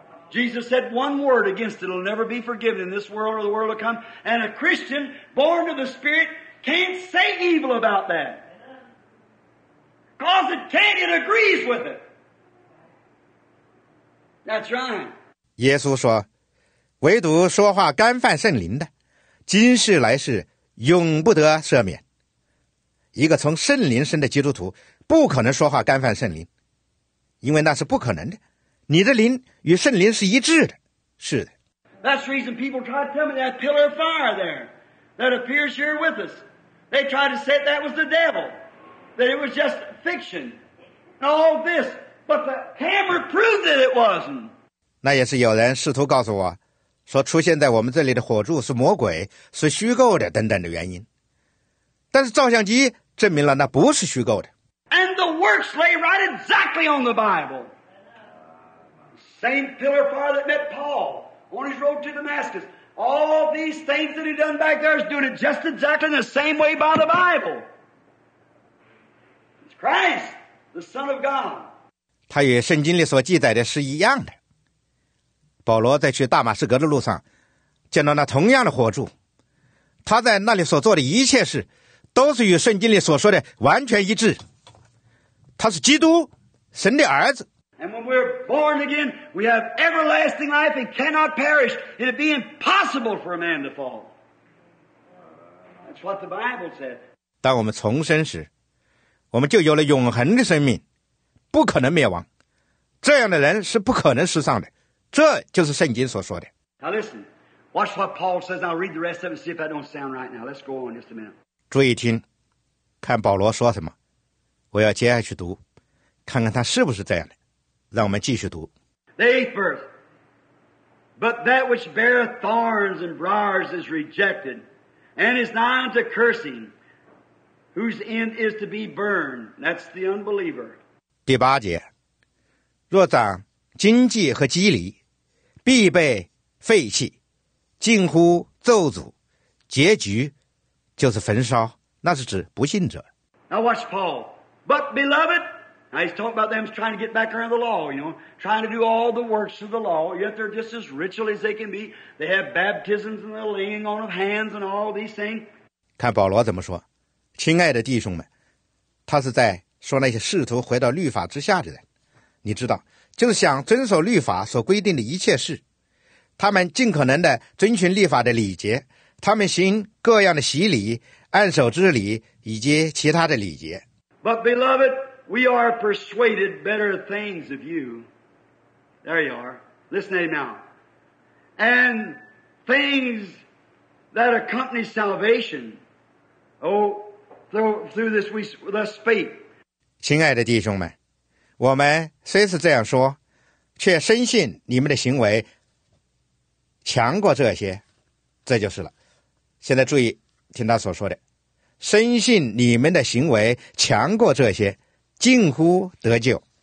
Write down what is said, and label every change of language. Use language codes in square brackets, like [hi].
[en] Jesus said one word against it will never be forgiven in this world or the world to come and a Christian born of the Spirit can't say evil about that because it can't it agrees with it That's right. [zh] 耶稣说，唯独说话干犯圣灵的，今世来世永不得赦免。一个从圣灵生的基督徒不可能说话干犯圣灵，因为那是不可能的。你的灵与圣灵是一致的。是的。 [en] That's the reason people try to tell me that pillar of fire there that appears here with us. They try to say that was the devil, that it was just fiction and all this, but the hammer proved that it wasn't. [zh] 那也是有人试图告诉我，说出现在我们这里的火柱是魔鬼，是虚构的等等的原因。但是照相机证明了那不是虚构的。 [en] And the works lay right exactly on the Bible. Same pillar of fire that met Paul on his road to Damascus. All these things that he done back there is doing it just exactly the same way by the Bible. It's Christ, the Son of God. [zh] 他与圣经里所记载的是一样的。保罗在去大马士革的路上见到那同样的火柱，他在那里所做的一切事都是与圣经里所说的完全一致。他是基督，神的儿子。 [en] And when we're born again, we have everlasting life and cannot perish. It'd be impossible for a man to fall. That's what the Bible said. [zh] 当我们重生时，我们就有了永恒的生命，不可能灭亡。这样的人是不可能失丧的。这就是圣经所说的。 [en] Now listen, watch what Paul says. I'll read the rest of it and see if that don't sound right now. Let's go on just a minute. [zh] 注意听，看保罗说什么。我要接下去读，看看他是不是这样的。让我们继续读。 [en] The eighth verse. But that which beareth thorns and briars is rejected, and is nigh unto cursing, whose end is to be burned. That's the unbeliever. [zh] 第八节，若长荆棘和蒺藜，必被废弃，近乎咒诅，结局就是焚烧。那是指不信者。 [en] Now watch Paul. But beloved, now he's talking about them trying to get back around the law, you know, trying to do all the works of the law, yet they're just as ritual as they can be. They have baptisms and the laying on of hands and all these things. [zh] 看保罗怎么说，亲爱的弟兄们，他是在说那些试图回到律法之下的人。你知道，就是想遵守律法所规定的一切事，他们尽可能的遵循律法的礼节，他们行各样的洗礼、按手之礼以及其他的礼节。 [en] But beloved, we are persuaded better things of you. There you are. Listen to me now. And things that accompany salvation, through this we thus speak. [zh] 亲爱的弟兄们，我们虽是这样说，却深信你们的行为强过这些，这就是了。现在注意听他所说的，深信你们的行为强过这些，近乎得救。